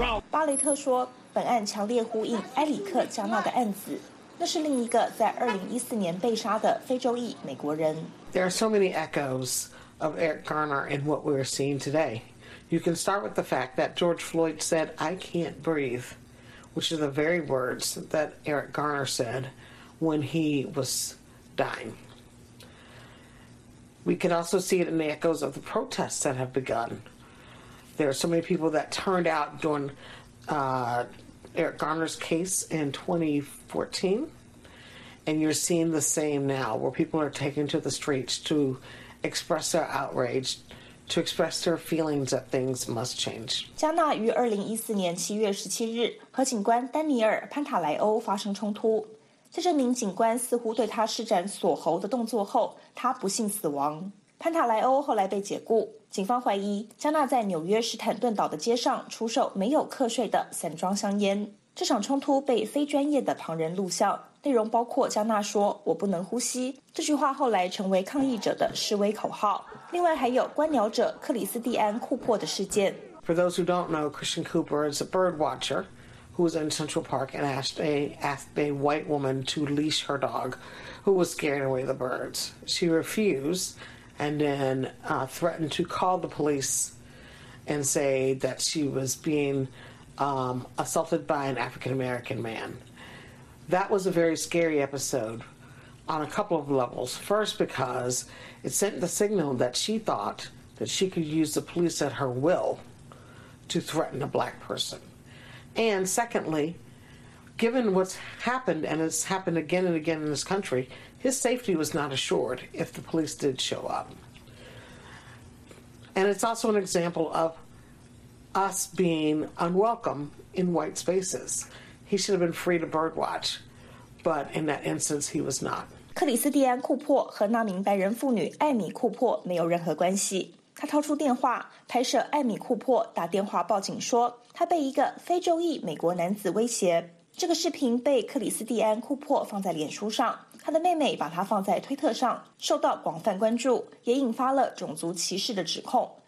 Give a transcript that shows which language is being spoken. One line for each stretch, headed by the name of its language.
Chinese: 巴雷特说，本案强烈呼应埃里克·加纳的案子。那是另一个在2014年被杀的非洲裔美国人。
English: There are so many echoes of Eric Garner in what we're seeing today. You can start with the fact that George Floyd said, I can't breathe, which are the very words that Eric Garner said when he was dying. We can also see it in the echoes of the protests that have begun. There are so many people that turned out during Eric Garner's case in 2014, and you're seeing the same now, where people are taken to the streets to express their outrage, to express their feelings that things must change.
Chinese: 加纳于2014年7月17日和警官丹尼尔·潘塔莱欧发生冲突，在这名警官似乎对他施展锁喉的动作后，他不幸死亡。潘塔莱欧后来被解雇，警方怀疑加纳在纽约史坦顿岛的街上出售没有课税的散装香烟。这场冲突被非专业的旁人录像，内容包括加纳说我不能呼吸，这句话后来成为抗议者的示威口号。另外还有观鸟者克里斯蒂安·库珀的事件。
English: For those who don't know, Christian Cooper is a bird watcher who was in Central Park and asked a white woman to leash her dog who was scaring away the birds. She refusedand then threatened to call the police and say that she was being assaulted by an African-American man. That was a very scary episode on a couple of levels. First, because it sent the signal that she thought that she could use the police at her will to threaten a black person. And secondly, given what's happened, and it's happened again and again in this country, his safety was not assured if the police did show up. And it's also an example of us being unwelcome in white spaces. He should have been free to birdwatch, but in that instance, he was not.
Chinese: 克里斯蒂安·库珀和那名白人妇女艾米·库珀没有任何关系。他掏出电话，拍摄艾米·库珀打电话报警说，他被一个非洲裔美国男子威胁。这个视频被克里斯蒂安·库珀放在脸书上，他的妹妹把他放在推特上，受到广泛关注，也引发了种族歧视的指控。